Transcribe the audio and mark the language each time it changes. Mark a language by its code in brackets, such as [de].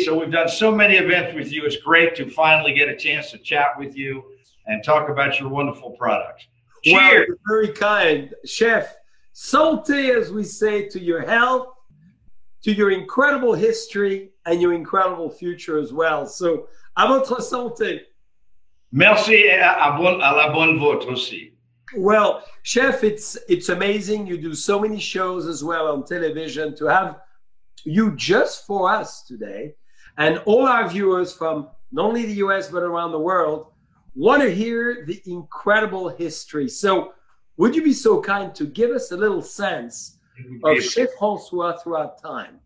[en] So we've done so many events with you. It's great to finally get a chance to chat with you and talk about your wonderful products. Cheers. Well, very kind, chef. Santé, as we say, to your health, to your incredible history, and your incredible future as well. [fr] So, à votre santé. Merci et à la bonne vôtre aussi. [en] Well, chef, it's amazing. You do so many shows as well on television. To have you just for us today, and all our viewers from not only the U.S. but around the world, want to hear the incredible history. So, would you be so kind to give us a little sense of Chef François throughout time?